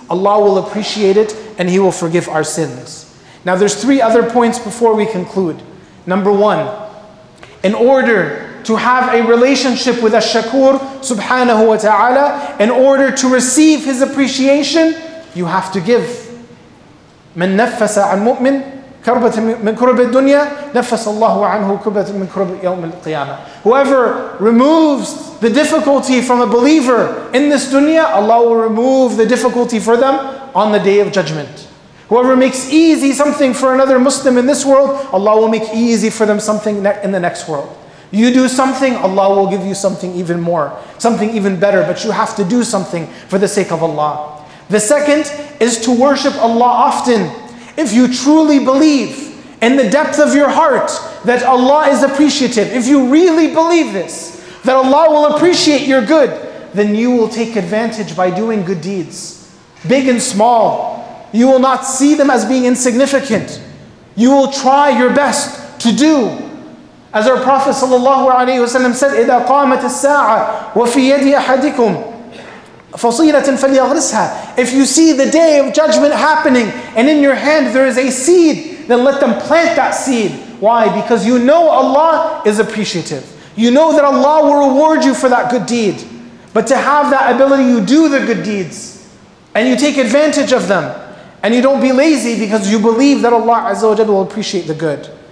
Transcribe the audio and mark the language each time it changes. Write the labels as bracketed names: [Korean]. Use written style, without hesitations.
[English] Allah will appreciate it and He will forgive our sins. Now there's three other points before we conclude. Number one, in order to have a relationship with Ash-Shakur subhanahu wa ta'ala, in order to receive His appreciation, you have to give. [Arabic] مَن نَفَّسَ عَن مُؤْمِنٍ كربت من كرب الدنيا نفس الله عنه كربة من كرب يوم القيامة. [English] Whoever removes the difficulty from a believer in this dunya, Allah will remove the difficulty for them on the Day of Judgment. Whoever makes easy something for another Muslim in this world, Allah will make easy for them something in the next world. You do something, Allah will give you something even more, something even better, but you have to do something for the sake of Allah. The second is to worship Allah often. If you truly believe in the depth of your heart that Allah is appreciative, if you really believe this, that Allah will appreciate your good, then you will take advantage by doing good deeds, big and small. You will not see them as being insignificant. You will try your best to do. As our Prophet sallallahu alaihi wasallam said, [Arabic] إِذَا قَامَتِ السَّاعَةَ وَفِي يَدِ أَحَدِكُمْ فَصِيلَةٍ فَلْيَغْرِسْهَا. [English] If you see the Day of Judgment happening and in your hand there is a seed, then let them plant that seed. Why? Because you know Allah is appreciative. You know that Allah will reward you for that good deed. But to have that ability, you do the good deeds and you take advantage of them and you don't be lazy because you believe that Allah Azza wa Jalla will appreciate the good.